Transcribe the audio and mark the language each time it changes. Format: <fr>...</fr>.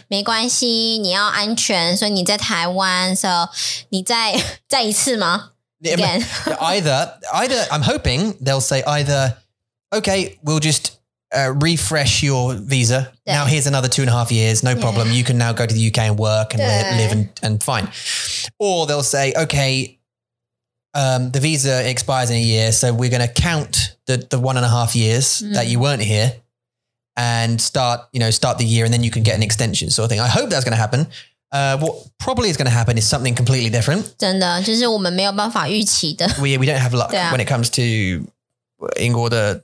<zh>没关系, 你要安全, 所以你在台湾, 所以你再, 再一次吗?</zh> <en>Either, I'm hoping they'll say either, okay, we'll just refresh your visa. Now here's another 2.5 years, no problem. Yeah. You can now go to the UK and work and live and fine. Or they'll say, okay, the visa expires in a year, so we're going to count the 1.5 years that you weren't here. And start the year and then you can get an extension sort of thing. I hope that's going to happen. What probably is going to happen is something completely different.</en> <zh>真的,就是我们没有办法预期的。</zh> <en>We don't have luck when it comes to</en> <zh>英国的...</zh>